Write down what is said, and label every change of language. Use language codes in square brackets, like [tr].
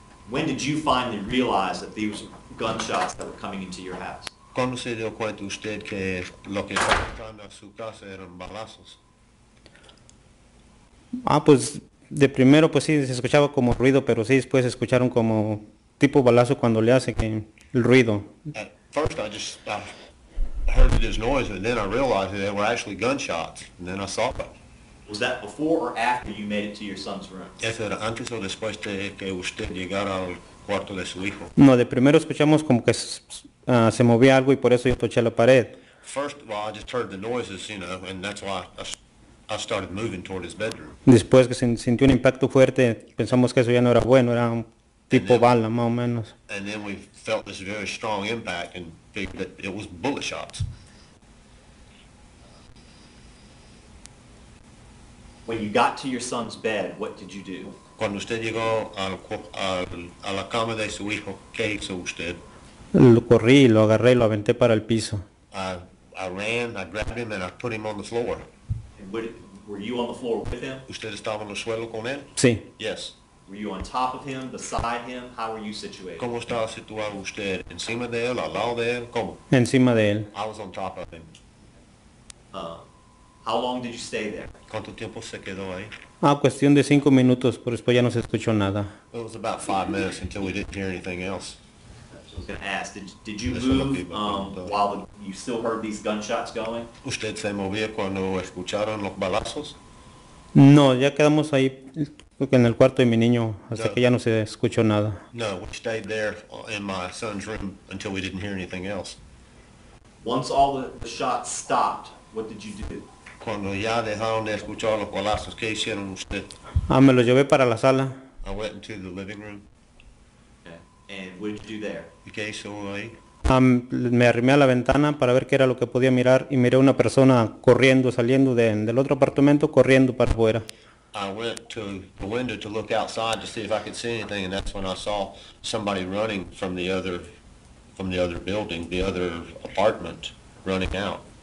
[en] When did you finally realize that these gunshots that were coming into your house? [es] ¿Cuándo se dio cuenta usted que lo que estaba entrando a su casa eran balazos? Ah, pues de primero pues sí se escuchaba como ruido, pero sí después se escucharon como tipo balazo cuando le hace que el ruido. [en] At first I heard this noise, and then I realized that they were actually gunshots, and then I saw it. Was that before or after you made it to your son's room? [es] Eso era antes o después de que usted llegara al cuarto de su hijo. No, de primero escuchamos como que se movía algo y por eso yo toché la pared. [en] First of all, I just heard the noises, you know, and that's why I started moving toward his bedroom. [es] Después que sintió un impacto fuerte, pensamos que eso ya no era bueno, era un tipo bala, más o menos. [en] And then we felt this very strong impact and figured that it was bullet shots. When you got to your son's bed, what did you do? [es] Cuando usted llegó a la cama de su hijo, ¿qué hizo usted? Lo corrí, lo agarré y lo aventé para el piso. [en] I ran, I grabbed him and I put him on the floor. Were you on the floor with him? [es] ¿Usted estaba en el suelo con él? Sí. [en] Yes. Were you on top of him, beside him? How were you situated? [es] ¿Cómo estaba situado usted? ¿Encima de él, al lado de él? ¿Cómo? Encima de él. [en] I was on top of him. How long did you stay there? [es] ¿Cuánto tiempo se quedó ahí? Ah, cuestión de 5 minutos, pero después ya no se escuchó nada. [en] It was about 5 minutes until we didn't hear anything else. I was going to ask, did you move while you still heard these gunshots going? [es] ¿Usted se movía cuando escucharon los balazos? No, ya quedamos ahí en el cuarto de mi niño hasta que ya no se escuchó nada. [en] No, we stayed there in my son's room until we didn't hear anything else. Once all the shots stopped, what did you do? [es] Cuando ya dejaron de escuchar los balazos, ¿qué hicieron usted? Ah, me lo llevé para la sala. [en] I went into the living room. Okay. And what did you do there? [es] ¿Y qué hizo ahí? Me arrimé a la ventana para ver qué era lo que podía mirar y miré a una persona corriendo, saliendo de, del otro apartamento, corriendo para afuera. [en] I went to the window to look outside to see if I could see anything, and that's when I saw somebody running from the other building, the other apartment, running out.